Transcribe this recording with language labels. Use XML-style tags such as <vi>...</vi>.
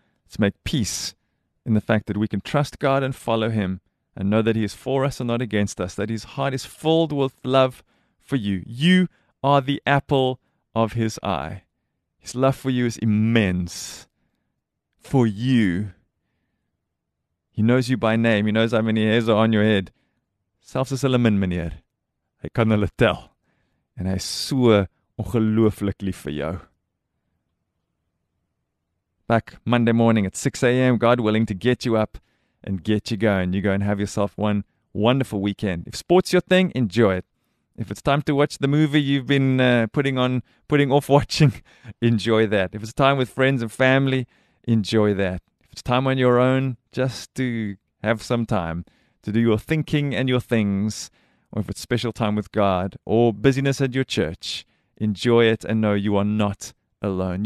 <en>Let's make peace in the fact that we can trust God and follow Him and know that He is for us and not against us, that His heart is filled with love for you. You are the apple of His eye. His love for you is immense for you. He knows you by name. He knows how many hairs are on your head.</en> <af>Selfs as hulle min meneer, hy kan hulle tel. En hy is so ongelooflik lief vir jou.</af> <en>Back Monday morning at 6 a.m., God willing to get you up and get you going. You go and have yourself one wonderful weekend. If sport's your thing, enjoy it. If it's time to watch the movie you've been putting off watching, enjoy that. If it's time with friends and family, enjoy that. If it's time on your own, just to have some time to do your thinking and your things, or if it's special time with God or busyness at your church, enjoy it and know you are not alone.</en>